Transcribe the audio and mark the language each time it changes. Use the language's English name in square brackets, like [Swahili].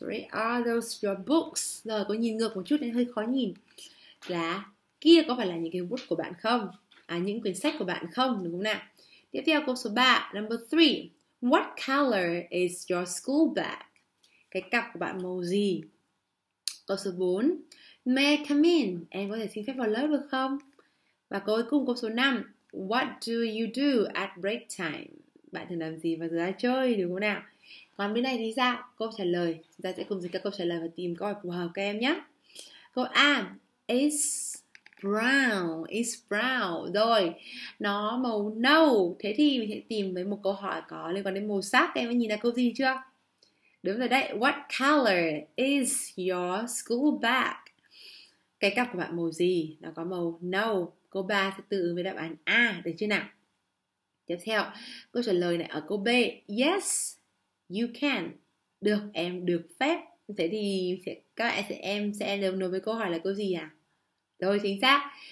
[English] Are those your books? [Vietnamese] Rồi, có nhìn ngược một chút nên hơi khó nhìn. Là kia có phải là những cái book của bạn không? À, những quyển sách của bạn không? Đúng không nào? Tiếp theo câu số 3. [English] Number 3. What color is your school bag? [Vietnamese] Cái cặp của bạn màu gì? Câu số 4. [English] May I come in? [Vietnamese] Em có thể xin phép vào lớp được không? Và cuối cùng câu số 5. [English] What do you do at break time? [Vietnamese] Bạn thường làm gì vào giờ ra chơi, đúng không nào? Còn bên này thì sao? Câu trả lời. Chúng ta sẽ cùng dịch các câu trả lời và tìm câu hỏi phù hợp các em nhé. Câu A. [English] It's brown. [Vietnamese] Rồi, nó màu nâu. Thế thì mình sẽ tìm với một câu hỏi có liên quan đến màu sắc. Các em đã nhìn ra câu gì chưa? Đúng rồi đấy. [English] What color is your school bag? [Vietnamese] Cái cặp của bạn màu gì? Nó có màu nâu. Câu 3 sẽ tự ứng với đáp án A, được chưa nào? Tiếp theo, câu trả lời này ở câu B. [English] Yes, you can. [Vietnamese] Được, em được phép. Thế thì các em sẽ đồng nối với câu hỏi là câu gì à? Rồi, chính xác.